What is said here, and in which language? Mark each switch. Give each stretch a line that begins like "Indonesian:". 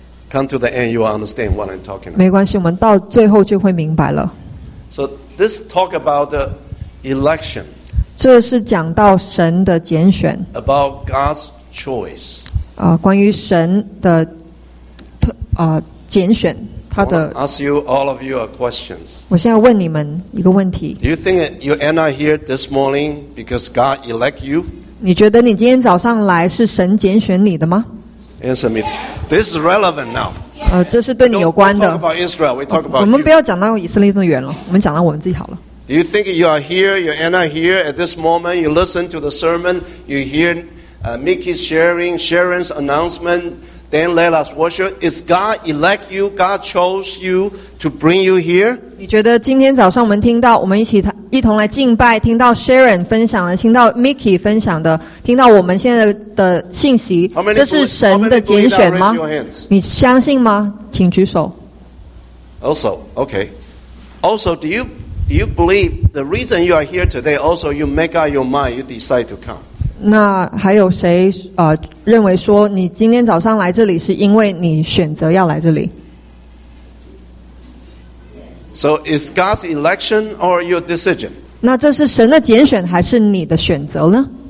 English: Come to the end, you will understand what I'm talking about.
Chinese: 没关系，我们到最后就会明白了。
English: So this talk about the election.
Chinese: 这是讲到神的拣选。
English: About God's choice.
Chinese: 关于神的拣选，他的。
English: I ask you all of you a question.
Chinese: 我现在问你们一个问题。
English: Do you think you end up here this morning because God elect you?
Chinese: 你觉得你今天早上来是神拣选你的吗
English: ？Answer me. This is relevant now.
Chinese: 这是对你有关的。
English: We talk about Israel. We talk about.
Chinese: 我们不要讲到以色列那么远了，我们讲到我们自己好了。
English: Do you think you are here? You end up here at this moment. You listen to the sermon. You hear. Mickey's sharing, Sharon's announcement, then let us worship. Is God elect you? God chose you to bring you here?
Chinese: 你觉得今天早上我们听到我们一同来敬拜，听到 Sharon 分享的，听到 Mickey 分享的，听到我们现在的信息，这是神的拣选吗？你相信吗？请举手。
English: Also, okay. Also, do you believe the reason you are here today? Also, you make up your mind, you decide to come.
Chinese: 那还有谁认为说你今天早上来这里是因为你选择要来这里
English: ？So is God's election or your decision?
Chinese: 那这是神的拣选还是你的选择呢